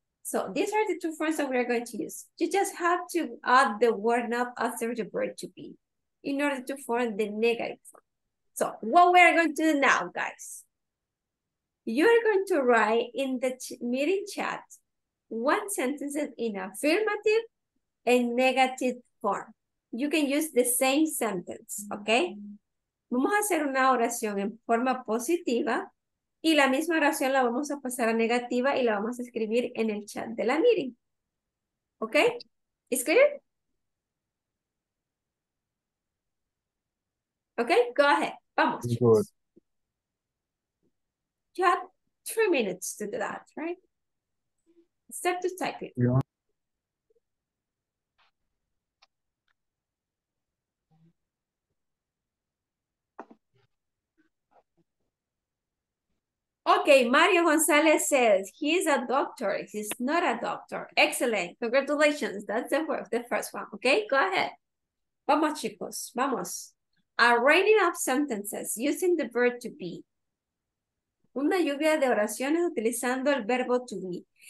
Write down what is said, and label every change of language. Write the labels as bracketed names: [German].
[English] So these are the two forms that we are going to use. You just have to add the word not after the verb to be in order to form the negative form. So what we are going to do now, guys, you are going to write in the meeting chat one sentence in affirmative and negative form. You can use the same sentence, okay? [Spanish] Vamos a hacer una oración en forma positiva. Y la misma oración la vamos a pasar a negativa y la vamos a escribir en el chat de la meeting. [English] Okay? Is clear? Okay, go ahead. [Spanish] Vamos. [English] Good. You have 3 minutes to do that, right? Step to type it. Yeah. Okay, Mario Gonzalez says he's a doctor. He's not a doctor. Excellent. Congratulations. That's the first one. Okay, go ahead. [Spanish] Vamos, chicos. Vamos. [English] Writing up sentences using the verb to be. [Spanish] Una lluvia de oraciones utilizando el verbo to be.